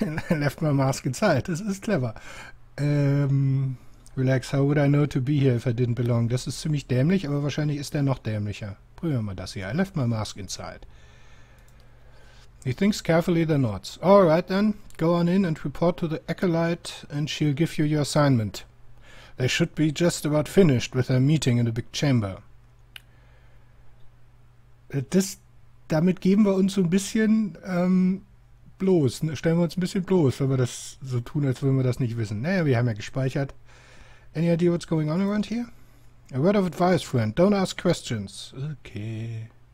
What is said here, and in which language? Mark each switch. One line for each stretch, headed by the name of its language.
English: Left my mask inside.
German: Das ist clever.
English: Relax, how would I know to be here if I didn't belong?
German: Das ist ziemlich dämlich, aber wahrscheinlich ist er noch dämlicher. Probieren wir mal das hier.
English: I left my mask inside. He thinks carefully, then nods. All right then, go on in and report to the acolyte and she'll give you your assignment. They should be just about finished with their meeting in the big chamber.
German: Damit geben wir uns so ein bisschen bloß, stellen wir uns ein bisschen bloß, wenn wir das so tun, als würden wir das nicht wissen. Naja, wir haben ja gespeichert.
English: Any idea what's going on around here? A word of advice, friend. Don't ask questions. Okay.